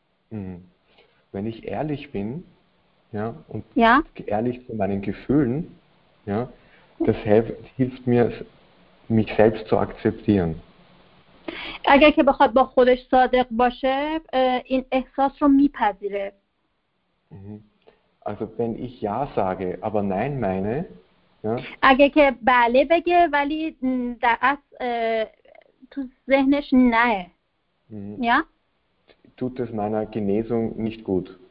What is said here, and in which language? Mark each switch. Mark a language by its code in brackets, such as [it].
[de] Wenn ich ehrlich bin, ja, und ja? ehrlich zu meinen Gefühlen, ja, das hilft mir, mich selbst zu akzeptieren. [fa] اگر که بخواد با خودش صادق باشه این احساس رو میپذیره. [de] Also wenn ich ja sage, aber nein meine, ja? [fa] اگر که بله بگه ولی در اصل تو ذهنش نه. [de] Ja? Tut es meiner Genesung nicht gut.